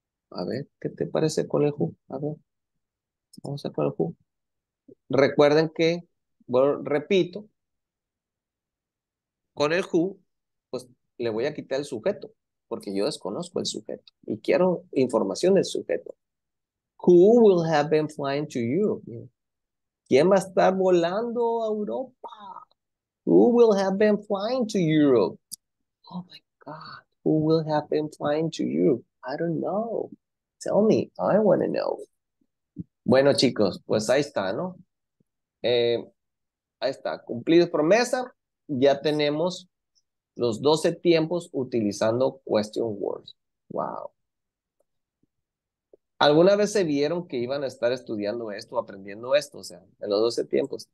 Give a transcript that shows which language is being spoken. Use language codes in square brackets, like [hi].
[es] A ver, ¿qué te parece con el who? A ver, vamos a con el who. Recuerden que, bueno, repito, con el who, pues le voy a quitar el sujeto, porque yo desconozco el sujeto y quiero información del sujeto. [en] Who will have been flying to Europe? [es] ¿Quién va a estar volando a Europa? [en] Who will have been flying to Europe? Oh my God. Who will have been flying to Europe? I don't know. Tell me. I want to know. [es] Bueno, chicos, pues ahí está, ¿no? Ahí está. Cumplido promesa. Ya tenemos los 12 tiempos utilizando question words. Wow. ¿Alguna vez se vieron que iban a estar estudiando esto, aprendiendo esto, o sea, en los 12 tiempos?